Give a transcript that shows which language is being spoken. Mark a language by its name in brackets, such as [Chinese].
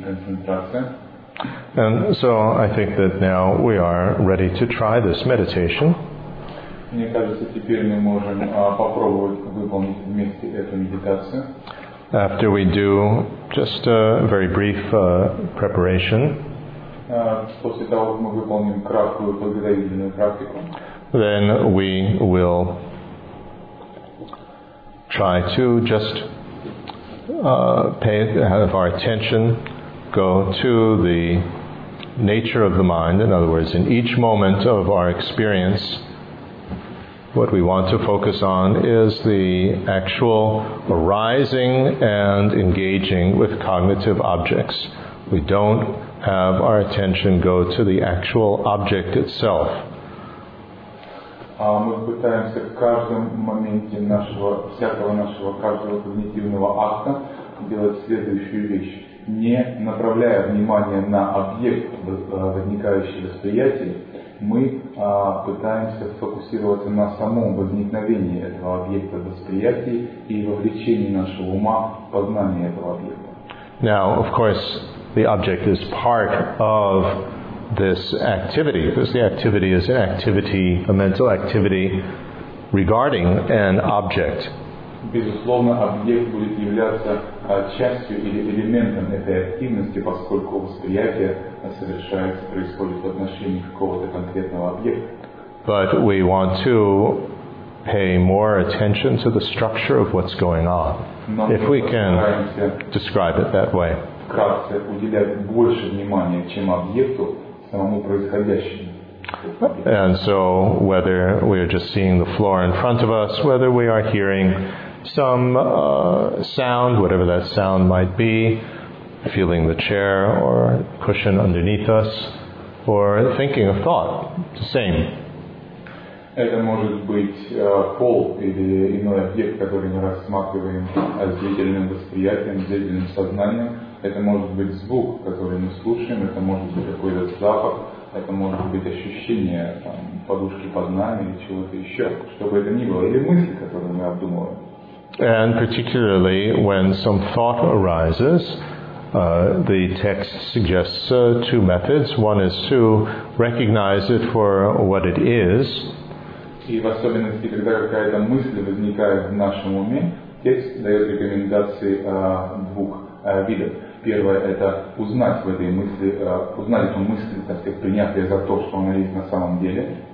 [English] And so I think that now we are ready to try this meditation. [Russian] Мне кажется, теперь мы можем попробовать выполнить вместе эту медитацию. [English] After we do just a very brief preparation, [Russian] после того, как мы выполним краткую подготовительную практику, [English] then we will try to just have our attention go to the nature of the mind. In other words, in each moment of our experience, what we want to focus on is the actual arising and engaging with cognitive objects. We don't have our attention go to the actual object itself. [Russian] Мы пытаемся в каждом моменте всякого нашего каждого когнитивного акта делать следующую вещь. Не направляя внимание на объект возникающего восприятия, мы пытаемся сфокусироваться на самом возникновении этого объекта восприятия и вовлечении нашего ума в познание этого объекта. [English] Now, of course, the object is part of this activity, because the activity is an activity, a mental activity regarding an object. [Russian] Безусловно, объект будет являться частью или элементом этой активности, поскольку восприятие совершается, происходит в отношении какого-то конкретного объекта. [English] But we want to pay more attention to the structure of what's going on. [Russian] Но [English] if we can describe it that way. [Russian] Вкратце, уделять больше внимания, чем объекту, самому происходящему. [English] And so, whether we are just seeing the floor in front of us, whether we are hearing some sound, whatever that sound might be, feeling the chair or cushion underneath us, or thinking a thought, the same. [Russian] Это может быть пол или иной объект, который мы рассматриваем зрительным восприятием, зрительным сознанием. Это может быть звук, который мы слушаем. Это может быть какой-то запах. Это может быть ощущение там, подушки под нами или чего-то еще, чтобы это ни было, или мысли, которые мы обдумываем. [English] And particularly when some thought arises, the text suggests two methods. One is to recognize it for what it is. [Russian] И в особенности, когда какая-то мысль возникает в нашем уме, текст дает рекомендации двух видов. Первое – это узнать в этой мысли, узнать эту мысль, так сказать, принять ее за то, что она есть на самом деле.